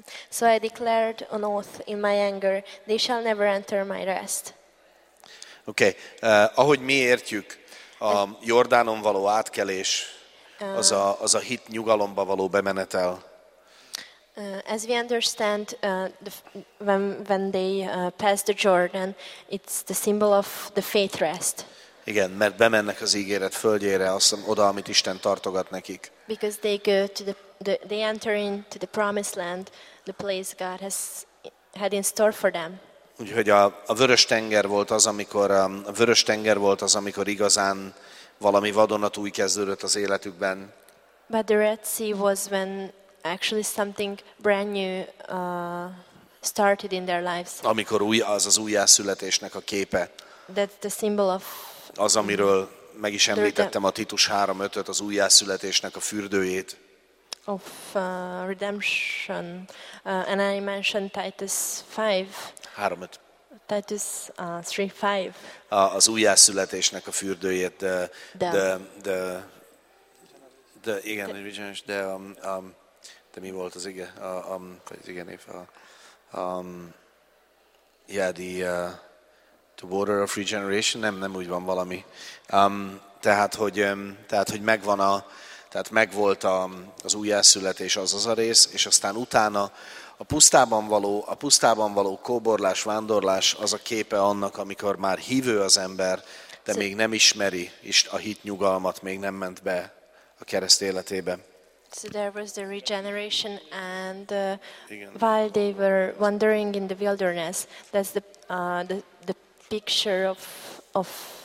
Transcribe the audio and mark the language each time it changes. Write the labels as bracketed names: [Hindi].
[English] So I declared an oath in my anger, they shall never enter my rest. [Hungarian] Okay, ahogy mi értjük, a Jordánon való átkelés az a hit nyugalomba való bemenetel. [English] As we understand when they pass the Jordan, it's the symbol of the faith rest. [Hungarian] Igen, mert bemennek az ígéret földjére, azt oda, amit Isten tartogat nekik. [English] Because they go to they enter into the promised land, the place God has had in store for them. [Hungarian] Úgyhogy a vörös tenger volt az, amikor a vörös tenger volt az, amikor igazán valami vadonatúj kezdődött az életükben. [English] But the Red Sea was when actually something brand new started in their lives. [Hungarian] Amikor új, az az újjászületésnek a képe. [English] That's the symbol of. [Hungarian] Az, amiről meg is említettem a Titus 3:5-öt, az újjászületésnek a fürdőjét. [English] Of redemption, and I mentioned Titus 5. 3:5. Titus 3:5. [Hungarian] Az újjászületésnek a fürdőjét, de igen, bizonyos, de mi volt az ige, [English] the water of regeneration, [Hungarian] nem úgy van valami. Tehát hogy megvan a, tehát megvolt az újjászületés, az a rész, és aztán utána a pusztában való kóborlás, vándorlás az a képe annak, amikor már hívő az ember, de még nem ismeri és a hit nyugalmat, még nem ment be a kereszt életébe. [English] So there was the regeneration, and while they were wandering in the wilderness, that's the picture of